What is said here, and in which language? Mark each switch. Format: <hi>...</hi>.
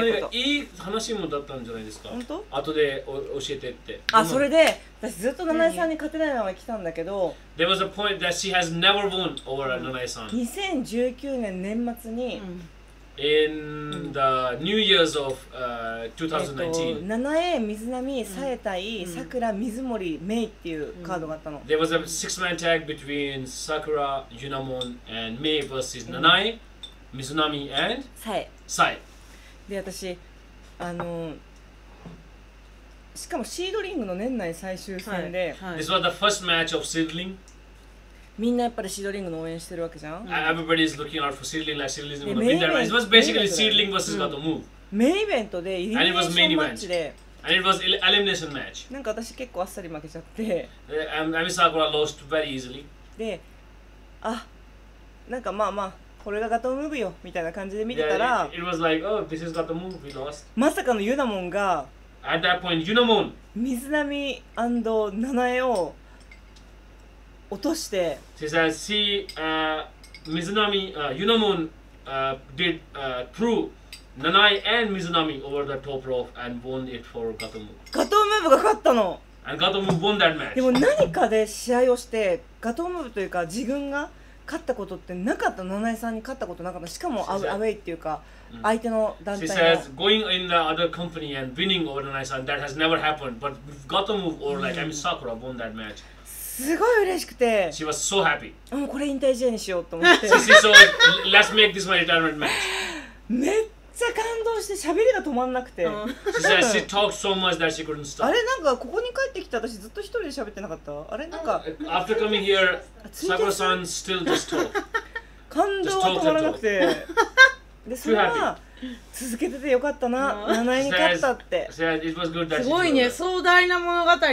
<ja>いい話もだったんじゃないですか。本当？後で教えてって。あ、それで私ずっと七井さんに勝てないまま来たんだけど。</ja> <en>There was a point that she has never won over 七井さん。</en> <ja>2019年年末に。</ja> <en>In the New Year's of 2019.</en> <ja>七重水波さえたい桜水森メイっていうカードがあったの。</ja> <en>There was a six-man tag between Sakura, Yunamon, and Mei versus 七重。水波 and</en> <ja>サエ。サエ。で私あのしかもシードリングの年内最終戦で、は</ja> <en>いはい、This was the first match of seedling。</en> <ja>みんなやっぱりシードリングの応援してるわけじゃん。</ja> <en>Everybody is looking out for seedling like seedling is gonna win that match. It was basically seedling versus Gato Move。</en> <ja>メインイベントでイリミネーションマッチで。</ja> <en>And it was elimination match。</en> <ja>なんか私結構あっさり負けちゃって。</ja> <en>Ami Sakura lost very easily。</en> <ja>で、あ、なんかまあまあ。これがガトムーブよみたいな感じで見てたら、</ja> <en>It was like, oh, this is Gato Move, we lost.</en> <ja>まさかのユナモンが、</ja> <en>At that point, ユナモン、</en> <ja>水波&七重を落として、</ja> <en>She says, see, 水波、ユナモン did through 七重 and 水波 over the top rope and won it for Gato Move.</en> <ja>ガトムーブが勝ったの。</ja> <en>And Gato Move won that match.</en> <ja>でも何かで試合をしてガトムーブというか自分が勝ったことってなかった。七重さんに勝ったことなかった。しかもアウェイっていうか相手の団体が。</ja> <en>She says going in the other company and winning over 七重さん that has never happened. But we've got to move or like Ami Sakura won that match.</en> <ja>すごい嬉しくて。</ja> <en>She was so happy.</en> <ja>もうこれ引退試合にしようと思って。</ja> <en>She says, so let's make this my retirement match.</en> <ja>めっちゃ感動して喋りが止まんなくて。</ja> <en>She says she talked so much that she couldn't stop.</en> <ja>あれなんかここに帰ってきた私ずっと一人で喋ってなかった。あれなんか。</ja> <en>After coming here. Sakura-san still just talk.</en> <ja>感動は止まらなくて。で、それは続けててよかったな。七重に勝ったって。すごいね。壮大な物語。</ja>